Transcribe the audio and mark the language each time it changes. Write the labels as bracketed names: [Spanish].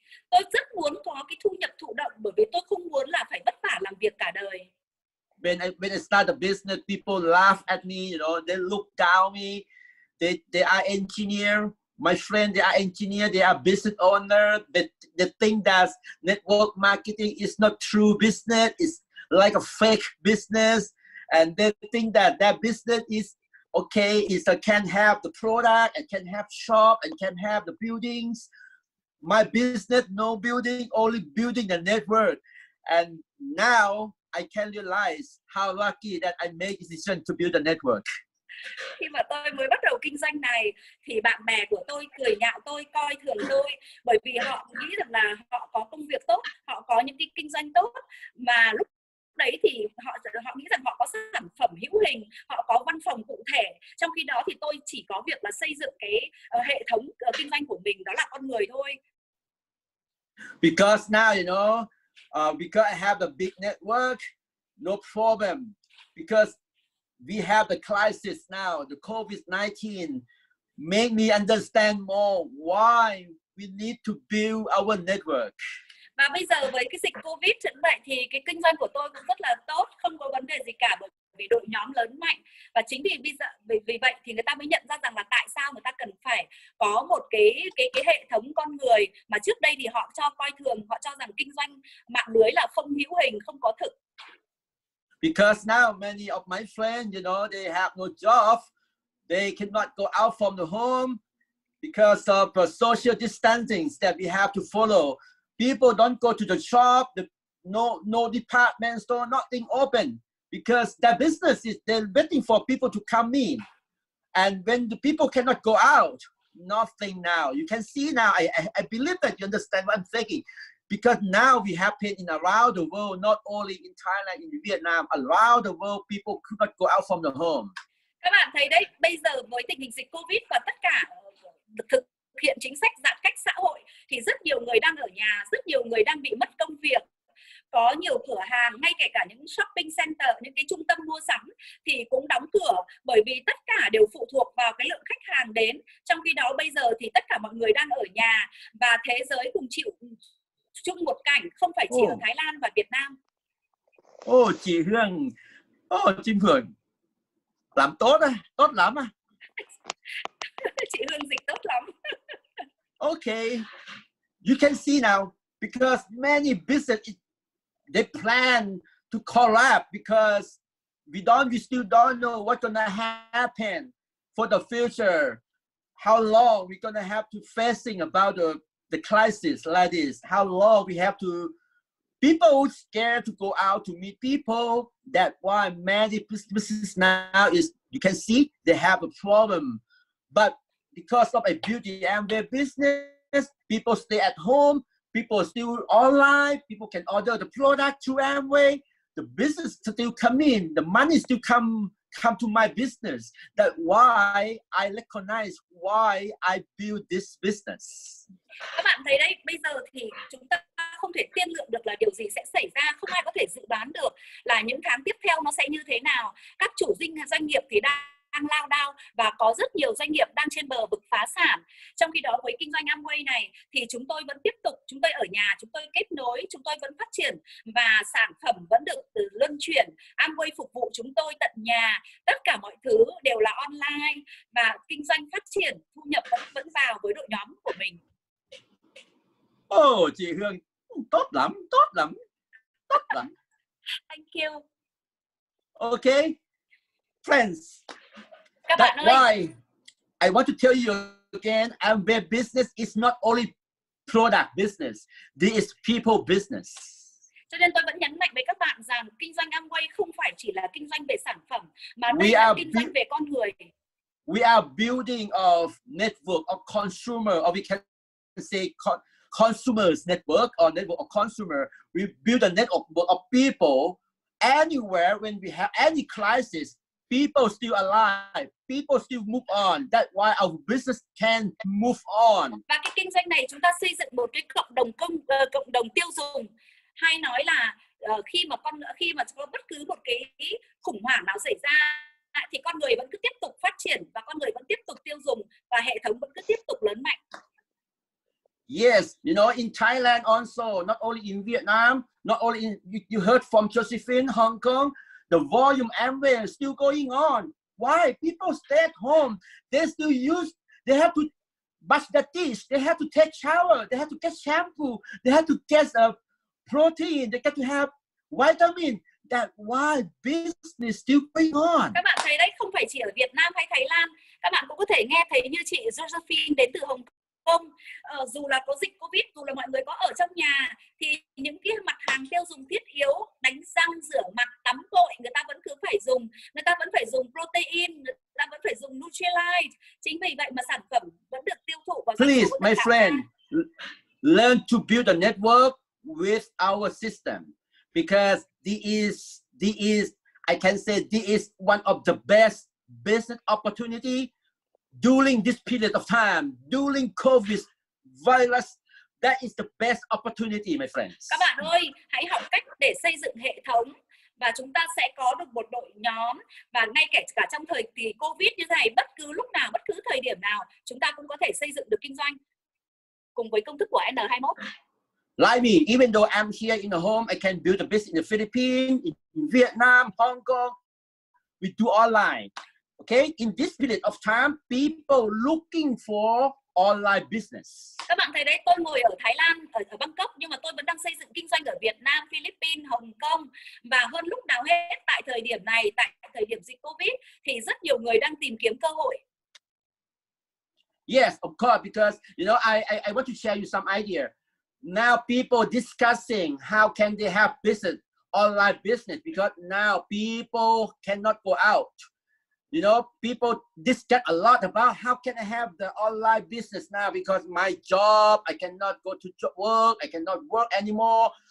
[Vietnamese] Tôi rất muốn có cái thu nhập thụ động bởi vì tôi không muốn là phải vất vả làm việc cả đời. [English] When I start the business, people laugh at me, you know, they look down me. They are engineer. My friend, they are engineer, they are business owner, but they think that network marketing is not true business, it's like a fake business. And they think that that business is okay, it can have the product, it can have shop, and can have the buildings. My business, no building, only building the network. And now I can realize how lucky that I made a decision to build a network. [Vietnamese] Khi mà tôi mới bắt đầu kinh doanh này thì bạn bè của tôi cười nhạo tôi, coi thường tôi bởi vì họ nghĩ rằng là họ có công việc tốt, họ có những cái kinh doanh tốt mà lúc đấy thì họ nghĩ rằng họ có sản phẩm hữu hình, họ có văn phòng cụ thể. Trong khi đó thì tôi chỉ có việc là xây dựng cái hệ thống kinh doanh của mình, đó là con người thôi. [English] Because now you know, because I have a big network, no problem. Because we have the crisis now, the COVID-19 make me understand more why we need to build our network. [Vietnamese] Và bây giờ với cái dịch COVID như vậy thì cái kinh doanh của tôi cũng rất là tốt, không có vấn đề gì cả bởi vì đội nhóm lớn mạnh. Và chính vì bây giờ vì vậy thì người ta mới nhận ra rằng là tại sao người ta cần phải có một cái hệ thống con người mà trước đây thì họ cho coi thường, họ cho rằng kinh doanh mạng lưới là không hữu hình, không có thực. [English] Because now many of my friends, you know, they have no job, they cannot go out from the home because of the social distancing that we have to follow. People don't go to the shop, no department store, nothing open because their business is they're waiting for people to come in. And when the people cannot go out, nothing now. You can see now, I believe that you understand what I'm thinking. Because now we have pain in around the world, not only in Thailand, in Vietnam, around the world, people could not go out from the home. [Vietnamese] Các bạn thấy đấy, bây giờ với tình hình dịch COVID và tất cả thực hiện chính sách giãn cách xã hội, thì rất nhiều người đang ở nhà, rất nhiều người đang bị mất công việc. Có nhiều cửa hàng, ngay kể cả những shopping center, những cái trung tâm mua sắm thì cũng đóng cửa bởi vì tất cả đều phụ thuộc vào cái lượng khách hàng đến. Trong khi đó bây giờ thì tất cả mọi người đang ở nhà và thế giới cùng chịu chung một cảnh, không phải chỉ ở Thái Lan và Việt Nam. Chị Hương, Chim Hương, làm tốt à, tốt lắm à. Chị Hương dịch tốt lắm. [English] Okay, you can see now, because many business, they plan to collapse because we still don't know what's gonna happen for the future. How long we gonna have to facing about the crisis like this, how long we have to, people scared to go out to meet people. That why many businesses now is, you can see they have a problem. But because of a beauty and their business, people stay at home, people still online, people can order the product to Amway, the business still come in, the money still come to my business. That why I recognize why I build this business. [Vietnamese] Các bạn thấy đấy, bây giờ thì chúng ta không thể tiên lượng được là điều gì sẽ xảy ra, không ai có thể dự đoán được là những tháng tiếp theo nó sẽ như thế nào. Các chủ doanh nghiệp thì đang lao đao và có rất nhiều doanh nghiệp đang trên bờ vực phá sản. Trong khi đó với kinh doanh Amway này thì chúng tôi vẫn tiếp tục, chúng tôi ở nhà, chúng tôi kết nối, chúng tôi vẫn phát triển và sản phẩm vẫn được luân chuyển. Amway phục vụ chúng tôi tận nhà, tất cả mọi thứ đều là online và kinh doanh phát triển, thu nhập vẫn vào với đội nhóm của mình. Chị Hương, tốt lắm, tốt lắm, tốt lắm. [English] Thank you. Okay, friends. [Vietnamese] Các bạn ơi. [English] Why I want to tell you again, Amway business is not only product business, this is people business. [Vietnamese] Cho nên tôi vẫn nhấn mạnh với các bạn rằng kinh doanh Amway không phải chỉ là kinh doanh về sản phẩm, mà nó là kinh doanh về con người. [English] We are building a network of consumer, or we can say consumers network or network of consumer. We build a network of people anywhere. When we have any crisis, people still alive, people still move on. That's why our business can move on. [Vietnamese] Và cái kinh doanh này chúng ta xây dựng một cái cộng đồng tiêu dùng, hay nói là khi mà có bất cứ một cái khủng hoảng nào xảy ra thì con người vẫn cứ tiếp tục phát triển và con người vẫn tiếp tục tiêu dùng và hệ thống vẫn cứ tiếp tục lớn mạnh. [English] Yes, you know, in Thailand also, not only in Vietnam, not only in, you heard from Josephine, Hong Kong, the volume Amway is still going on. Why? People stay at home. They still use, they have to brush their teeth, they have to take shower, they have to get shampoo, they have to get a protein, they get to have vitamin. That why business still going on. [Vietnamese] Các bạn thấy đấy, không phải chỉ ở Việt Nam hay Thái Lan, các bạn cũng có thể nghe thấy như chị Josephine đến từ Hồng Kông. Dù là có dịch Covid, dù là mọi người có ở trong nhà, thì những cái mặt hàng tiêu dùng thiết yếu, đánh răng, rửa mặt, tắm gội, người ta vẫn cứ phải dùng. Người ta vẫn phải dùng protein, người ta vẫn phải dùng Nutrilite. Chính vì vậy mà sản phẩm vẫn được tiêu thụ. Và [English] please, my friend, learn to build a network with our system. Because this is I can say this is one of the best business opportunity during this period of time, during COVID virus. That is the best opportunity, my friends. [Vietnamese] Các bạn ơi, hãy học cách để xây dựng hệ thống và chúng ta sẽ có được một đội nhóm, và ngay cả trong thời kỳ COVID như này, bất cứ lúc nào, bất cứ thời điểm nào, chúng ta cũng có thể xây dựng được kinh doanh cùng với công thức của N21. [English] Like me, even though I'm here in the home, I can build a business in the Philippines, in Vietnam, Hong Kong. We do online. Okay? In this period of time, people looking for online business. [Vietnamese] Các bạn thấy đấy, tôi ngồi ở Thái Lan, ở Bangkok, nhưng mà tôi vẫn đang xây dựng kinh doanh ở Việt Nam, Philippines, Hồng Kông. Và hơn lúc nào hết, tại thời điểm này, tại thời điểm dịch COVID, thì rất nhiều người đang tìm kiếm cơ hội. [English] Yes, of course, because, you know, I want to share you some idea. Now people discussing how can they have business, online business, because now people cannot go out. You know, people discuss a lot about how can I have the online business now because my job, I cannot go to work, I cannot work anymore.